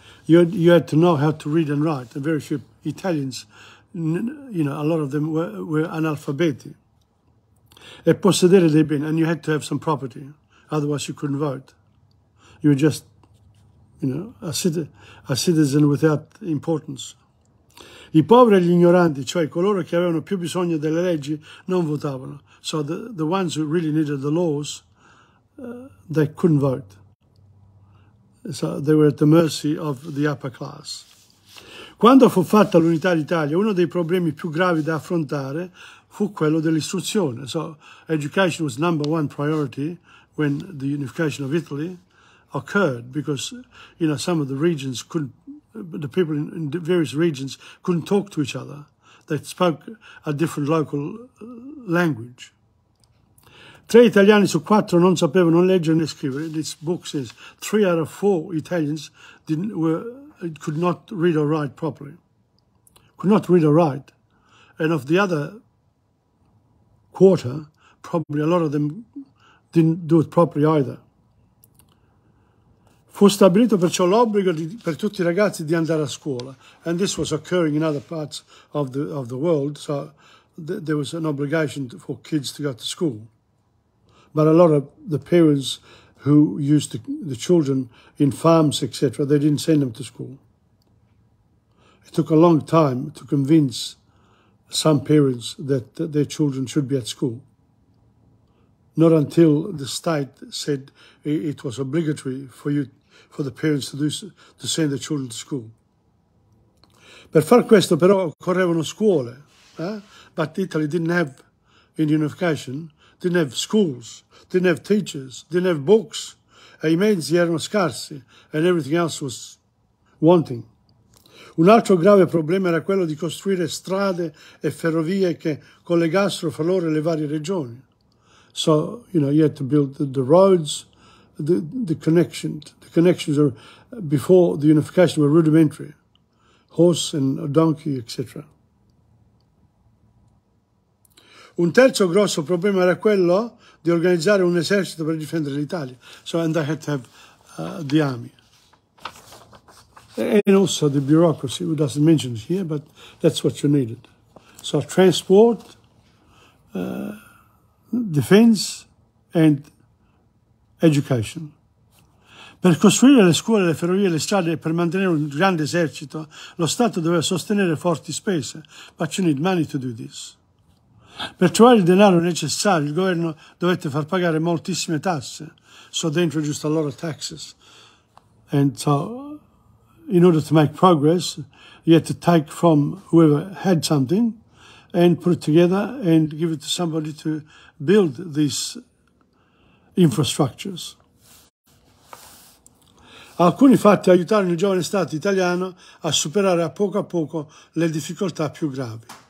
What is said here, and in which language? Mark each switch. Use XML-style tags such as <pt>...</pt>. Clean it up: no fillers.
<en>You had to know how to read and write. And very few Italians, you know, a lot of them were analfabeti.</en> <it>E possedere dei beni,</it> <en>and you had to have some property, otherwise you couldn't vote. You were just, you know, a citizen without importance.</en> <it>I poveri e gli ignoranti, cioè coloro che avevano più bisogno delle leggi, non votavano.</it> <en>So the ones who really needed the laws, they couldn't vote. So they were at the mercy of the upper class.</en> <it>Quando fu fatta l'unità d'Italia, uno dei problemi più gravi da affrontare fu quello dell'istruzione.</it> <en>So education was number one priority when the unification of Italy occurred, because, you know, some of the regions couldn't, the people in the various regions couldn't talk to each other. They spoke a different local language.</en> <it>Tre italiani su quattro non sapevano leggere né scrivere.</it> <en>This book says three out of four Italians could not read or write properly. Could not read or write. And of the other quarter, probably a lot of them didn't do it properly either.</en> <it>Fu stabilito perciò l'obbligo per tutti I ragazzi di andare a scuola.</it> <en>And this was occurring in other parts of the world, so there was an obligation for kids to go to school. But a lot of the parents who used the children in farms, etc., they didn't send them to school. It took a long time to convince some parents that their children should be at school. Not until the state said it was obligatory for the parents to send the children to school.</en> <it>Per far questo però occorrevano scuole, eh?</it> <en>But Italy didn't have, in unification, didn't have schools, didn't have teachers, didn't have books,</en> <it>e I mezzi erano scarsi,</it> <en>and everything else was wanting.</en> <it>Un altro grave problema era quello di costruire strade e ferrovie che collegassero fra loro le varie regioni.</it> <en>So, you know, you had to build the roads, the connections. The connections are, before the unification, were rudimentary. Horse and donkey, etc.</en> <it>Un terzo grosso problema era quello di organizzare un esercito per difendere l'Italia.</it> <en>So, and they had to have the army. And also the bureaucracy, who doesn't mention it here, but that's what you needed. So transport, defense, and education.</en> <it>Per costruire le scuole, le ferrovie, le strade e per mantenere un grande esercito, lo Stato doveva sostenere forti spese.</it> <en>But you need money to do this.</en> <it>Per trovare il denaro necessario, il governo dovette far pagare moltissime tasse.</it> <en>So they introduced a lot of taxes. And so, in order to make progress, you had to take from whoever had something and put it together and give it to somebody to build these infrastructures.</en> <it>Alcuni fatti aiutarono il giovane Stato italiano a superare a poco le difficoltà più gravi.</it>